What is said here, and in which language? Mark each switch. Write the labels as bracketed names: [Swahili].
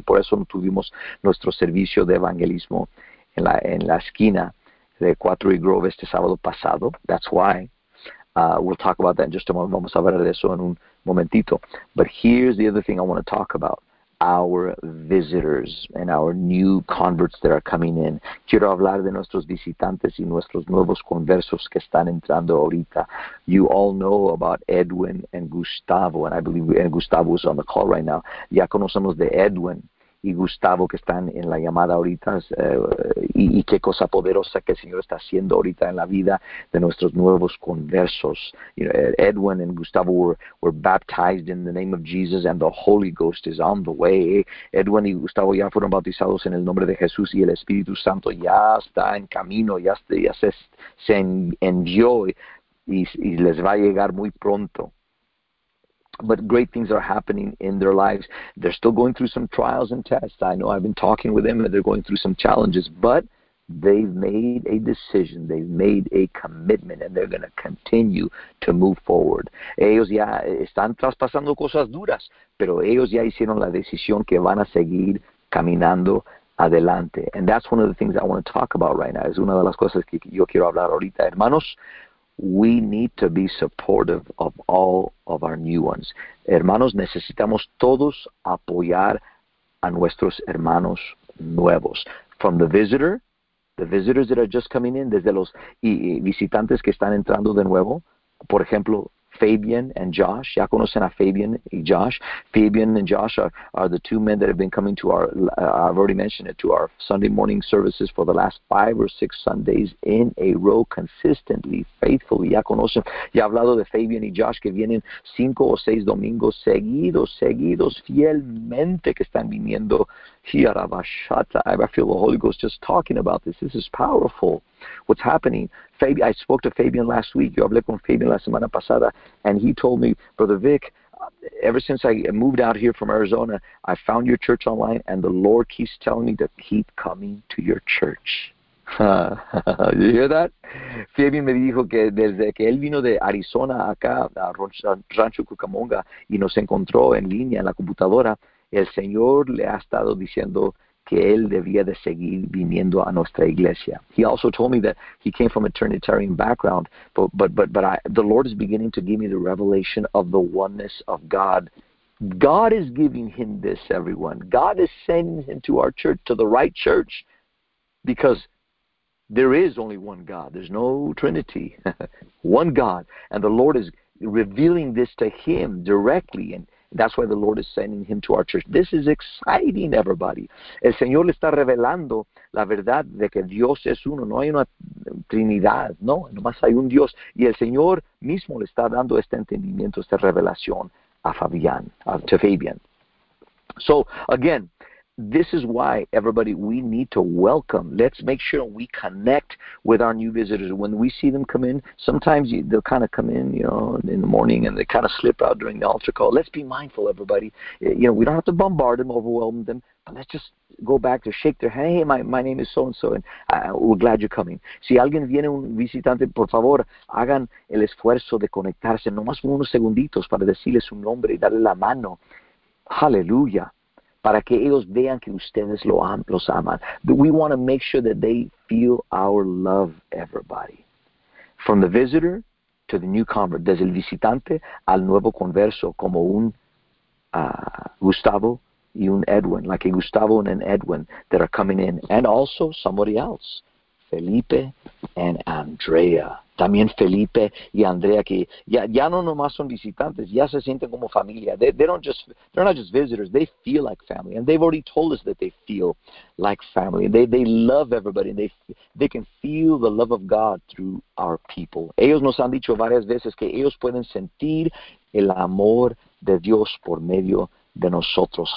[Spanish] Por eso no tuvimos nuestro servicio de evangelismo en la esquina de Cuatro y Grove este sábado pasado. [English] That's why. We'll talk about that in just a moment. [Spanish] Vamos a hablar de eso en un momentito. [English] But here's the other thing I want to talk about. Our visitors and our new converts that are coming in. [Spanish] Quiero hablar de nuestros visitantes y nuestros nuevos conversos que están entrando ahorita. [English] You all know about Edwin and Gustavo, and I believe Gustavo is on the call right now. [Spanish] Ya conocemos de Edwin y Gustavo que están en la llamada ahorita, y qué cosa poderosa que el Señor está haciendo ahorita en la vida de nuestros nuevos conversos. [English] You know, Edwin and Gustavo were baptized in the name of Jesus and the Holy Ghost is on the way. [Spanish] Edwin y Gustavo ya fueron bautizados en el nombre de Jesús y el Espíritu Santo ya está en camino, ya se envió y les va a llegar muy pronto. [English] But great things are happening in their lives. They're still going through some trials and tests. I know I've been talking with them and they're going through some challenges, but they've made a decision. They've made a commitment and they're going to continue to move forward. [Spanish] Ellos ya están traspasando cosas duras, pero ellos ya hicieron la decisión que van a seguir caminando adelante. [English] And that's one of the things I want to talk about right now. [Spanish] Es una de las cosas que yo quiero hablar ahorita, hermanos. [English] We need to be supportive of all of our new ones. [Spanish] Hermanos, necesitamos todos apoyar a nuestros hermanos nuevos. [English] From the visitors that are just coming in, [Spanish] desde los visitantes que están entrando de nuevo, por ejemplo, Fabian and Josh, ya conocen a Fabian y Josh. [English] Fabian and Josh are the two men that have been coming to our, I've already mentioned it, to our Sunday morning services for the last 5 or 6 Sundays in a row, consistently, faithfully. [Spanish] Ya conocen, ya he hablado de Fabian y Josh que vienen 5 o 6 domingos seguidos, fielmente que están viniendo. [English] I feel the Holy Ghost just talking about this. This is powerful. What's happening? I spoke to Fabian last week. [Spanish] Yo hablé con Fabian la semana pasada, [English] and he told me, Brother Vic, ever since I moved out here from Arizona, I found your church online, and the Lord keeps telling me to keep coming to your church. You hear that? [Spanish] Fabian me dijo que desde que él vino de Arizona acá, a Rancho Cucamonga, y nos encontró en línea en la computadora, el Señor le ha estado diciendo que él debía de seguir viniendo a nuestra iglesia. [English] He also told me that he came from a Trinitarian background, but the Lord is beginning to give me the revelation of the oneness of God. God is giving him this, everyone. God is sending him to our church, to the right church, because there is only one God. There's no Trinity. One God. And the Lord is revealing this to him directly, and that's why the Lord is sending him to our church. This is exciting, everybody. [Spanish] El Señor le está revelando la verdad de que Dios es uno. No hay una Trinidad, no. Nomás hay un Dios. Y el Señor mismo le está dando este entendimiento, esta revelación a Fabian, to Fabian. [English] So, again, this is why, everybody, we need to welcome. Let's make sure we connect with our new visitors. When we see them come in, sometimes they'll kind of come in, you know, in the morning, and they kind of slip out during the altar call. Let's be mindful, everybody. You know, we don't have to bombard them, overwhelm them, but let's just go back to shake their hand. Hey, my name is so-and-so, and we're glad you're coming. [Spanish] Si alguien viene, un visitante, por favor, hagan el esfuerzo de conectarse, nomás unos segunditos para decirle su nombre y darle la mano. Hallelujah. Para que ellos vean que ustedes los aman. [English] We want to make sure that they feel our love, everybody. From the visitor to the new convert. [Spanish] Desde el visitante al nuevo converso, como un Gustavo y un Edwin. [English] Like a Gustavo and an Edwin that are coming in. And also somebody else. Felipe and Andrea. [Spanish] También Felipe y Andrea, que ya no nomás son visitantes, ya se sienten como familia. [English] They're not just visitors, they feel like family. And they've already told us that they feel like family. They love everybody. They can feel the love of God through our people. [Spanish] Ellos nos han dicho varias veces que ellos pueden sentir el amor de Dios por medio de nosotros.